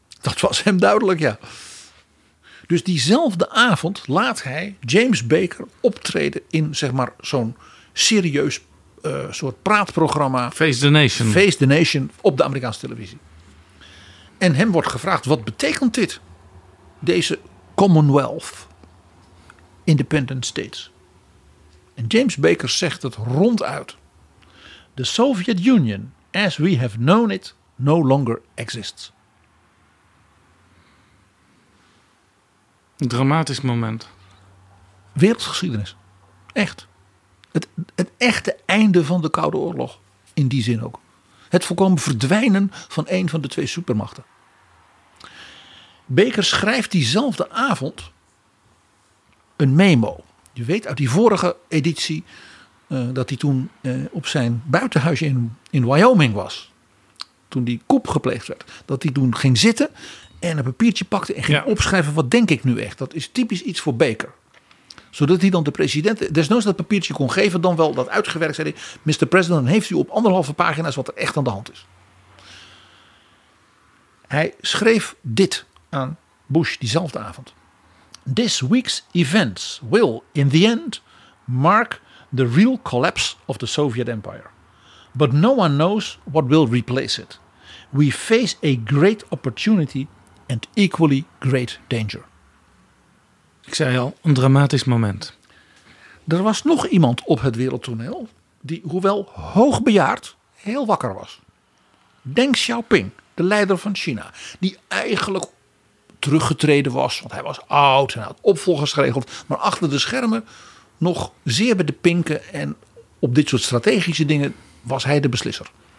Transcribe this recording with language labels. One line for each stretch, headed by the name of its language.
Dutch: Dat was hem duidelijk, ja. Dus diezelfde avond laat hij James Baker optreden in, zeg maar, zo'n serieus soort praatprogramma.
English: Face the Nation.
Dutch: Face the Nation op de Amerikaanse televisie. En hem wordt gevraagd, wat betekent dit? Deze Commonwealth Independent States. En James Baker zegt het ronduit.
English: The Soviet Union, as we have known it, no longer exists.
Dutch: Een dramatisch moment. Wereldgeschiedenis. Echt. Het echte einde van de Koude Oorlog. In die zin ook. Het volkomen verdwijnen van een van de 2 supermachten. Baker schrijft diezelfde avond een memo. Je weet uit die vorige editie dat hij toen op zijn buitenhuisje in Wyoming was. Toen die coup gepleegd werd. Dat hij toen ging zitten en een papiertje pakte en ging opschrijven, wat denk ik nu echt? Dat is typisch iets voor Baker. Zodat hij dan de president, desnoods dat papiertje kon geven, dan wel dat uitgewerkt, zei hij, Mr. President, heeft u op 1,5 pagina's wat er echt aan de hand is. Hij schreef dit aan Bush diezelfde avond.
English: This week's events will, in the end, mark the real collapse of the Soviet Empire. But no one knows what will replace it. We face a great opportunity and equally great danger.
Dutch: Ik zei al, een dramatisch moment. Er was nog iemand op het wereldtoneel die, hoewel hoogbejaard, heel wakker was. Deng Xiaoping, de leider van China, die eigenlijk teruggetreden was, want hij was oud en had opvolgers geregeld, maar achter de schermen nog zeer bij de pinken en op dit soort strategische dingen was hij de beslisser.